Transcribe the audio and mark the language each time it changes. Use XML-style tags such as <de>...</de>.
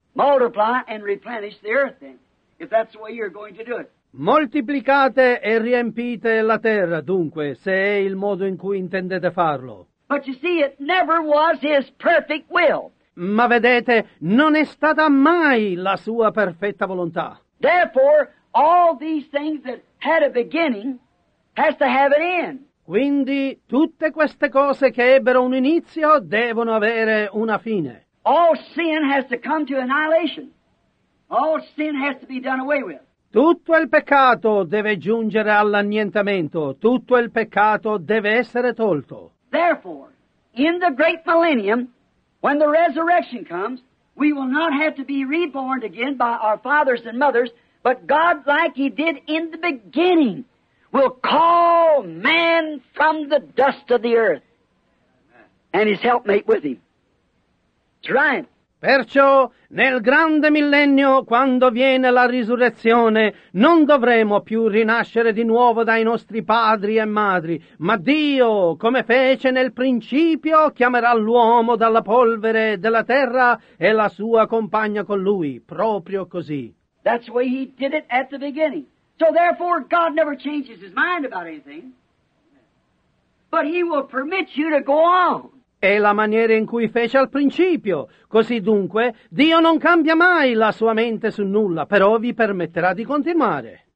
<en>Multiply and replenish the earth then, if that's the way you're going to do it.</en> <it>Moltiplicate e riempite la terra, dunque, se è il modo in cui intendete farlo.</it> <en>But you see, it never was his perfect will.</en> <it>Ma vedete, non è stata mai la sua perfetta volontà.</it> <en>Therefore, all these things that had a beginning has to have an end.</en> <it>Quindi, tutte queste cose che ebbero un inizio devono avere una fine.</it> <en>All sin has to come to annihilation. All sin has to be done away with.</en> <it>Tutto il peccato deve giungere all'annientamento, tutto il peccato deve essere tolto.</it> <en>Therefore, in the great millennium, when the resurrection comes, we will not have to be reborn again by our fathers and mothers, but God, like he did in the beginning, will call man from the dust of the earth and his helpmate with him. That's right.</en> <it>Perciò, nel grande millennio, quando viene la risurrezione, non dovremo più rinascere di nuovo dai nostri padri e madri, ma Dio, come fece nel principio, chiamerà l'uomo dalla polvere della terra e la sua compagna con lui, proprio così.</it> <en>That's the way he did it at the beginning. So therefore, God never changes his mind about anything, but he will permit you to go on.</en> <it>È la maniera in cui fece al principio. Così dunque, Dio non cambia mai la sua mente su nulla, però vi permetterà di continuare.</it>